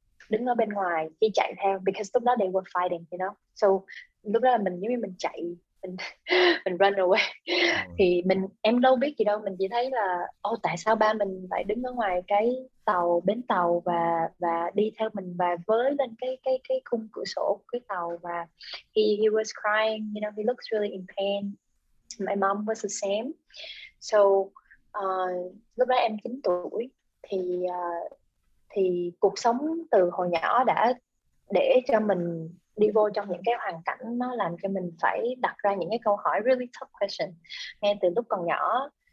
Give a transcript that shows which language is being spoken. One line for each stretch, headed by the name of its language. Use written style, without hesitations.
Vietnamese: đứng ở bên ngoài đi chạy theo, because lúc đó
English: they were fighting, you know,
Vietnamese: so lúc đó là mình giống như mình chạy, mình
English: run away.
Vietnamese: Thì mình, em đâu biết gì đâu, mình chỉ thấy là tại sao ba mình lại đứng ở ngoài cái tàu, bến tàu, và đi theo mình và với lên cái khung cửa sổ cái tàu.
English: Và he was crying, you know, he looks really in pain. My mom was the same.
Vietnamese: So lúc đó em 9 tuổi, thì cuộc sống từ hồi nhỏ đã để cho mình đi vô trong những cái hoàn cảnh, nó làm cho mình phải đặt ra những cái câu hỏi
English: really tough question
Vietnamese: ngay từ lúc còn nhỏ.